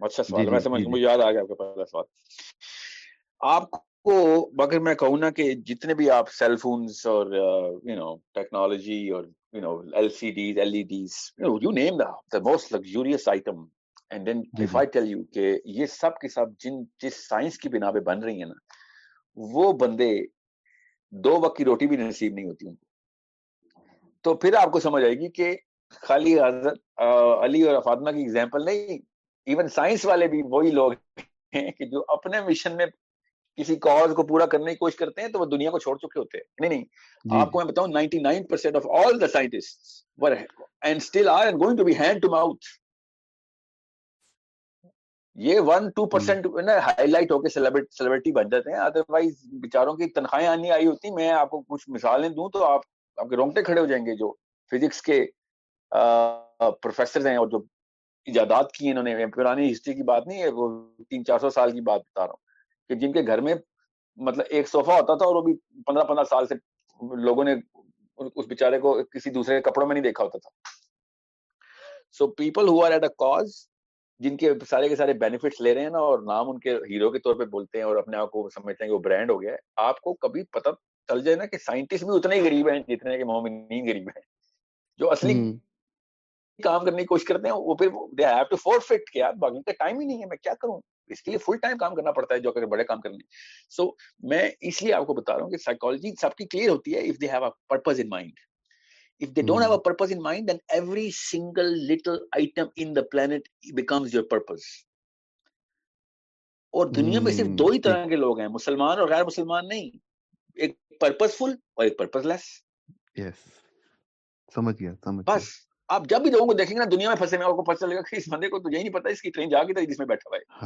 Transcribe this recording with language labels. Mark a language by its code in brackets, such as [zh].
[ur] اچھا سوال, ویسے مجھے یاد آ گیا آپ کا پہلا سوال. آپ کو مگر میں کہوں نا کہ جتنے بھی آپ سیل فونز اور یو نو ٹیکنالوجی اور you know L C days L E Ds [en] you name the most luxurious item And then if I tell you [ur] کہ یہ سب کے سب جس سائنس کی بنا پہ بن رہی ہیں نا, وہ بندے دو وقت کی روٹی بھی نصیب نہیں ہوتی ان کو, تو پھر آپ کو سمجھ آئے گی کہ خالی حضرت علی اور فاطمہ کی ایگزامپل نہیں, ایون سائنس والے بھی وہی لوگ ہیں کہ جو اپنے مشن میں کسی کاز کو پورا کرنے کی کوشش کرتے ہیں تو وہ دنیا کو چھوڑ چکے ہوتے ہیں. نہیں نہیں, آپ کو میں بتاؤں [en] 99% of all the scientists were and still are and going to be hand to mouth. [ur] یہ 1-2% ہائی لائٹ ہو کے سیلیبریٹی بن جاتے ہیں, ادر وائز بےچاروں کی تنخواہیں آنی آئی ہوتی. میں آپ کو کچھ مثالیں دوں تو آپ کے رونگٹے کھڑے ہو جائیں گے. جو فزکس کے پروفیسر ہیں اور جو ایجادات کی انہوں نے, پرانی ہسٹری کی بات نہیں ہے, وہ 300-400 سال کی بات بتا رہا ہوں, کہ جن کے گھر میں مطلب ایک صوفہ ہوتا تھا اور وہ بھی 15-15 سال سے لوگوں نے اس بےچارے کو کسی دوسرے کے کپڑوں میں نہیں دیکھا ہوتا تھا. [en] so people who are at a cause [ur] جن کے سارے کے سارے بینیفٹس لے رہے ہیں نا اور نام ان کے ہیرو کے طور پہ بولتے ہیں اور اپنے آپ کو سمجھتے ہیں کہ وہ برانڈ ہو گیا ہے, آپ کو کبھی پتہ چل جائے نا کہ سائنٹسٹ بھی اتنے ہی غریب ہیں جتنے کہ مومنین غریب ہیں. جو اصلی کام کرنے کی کوشش کرتے ہیں وہ پھر [en] they have to forfeit, [ur] کیا باقی کا ٹائم ہی نہیں ہے, میں کیا کروں؟ اس کے لیے فل ٹائم کام کرنا پڑتا ہے جو کہ بڑے کام کرنے. سو میں اس لیے آپ کو بتا رہا ہوں کہ سائیکالوجی سب کی کلیئر ہوتی ہے [en] If they have a purpose in mind. If they don't have a purpose in mind, then every single little item in the planet becomes your purpose. [ur] اور دنیا میں صرف دو ہی طرح کے لوگ ہیں, مسلمان اور غیر مسلمان نہیں, ایک پرپز فل اور ایک پرپز لیس. Yes. سمجھ گیا, سمجھ بس گیا. آپ جب بھی لوگوں کو دیکھیں گے نا دنیا میں پھنسے ہوئے, آپ کو پتہ چلے گا کہ اس بندے کو تو یہی نہیں پتا اس کی ٹرین جا کے تھی جس میں بیٹھا ہوا ہے.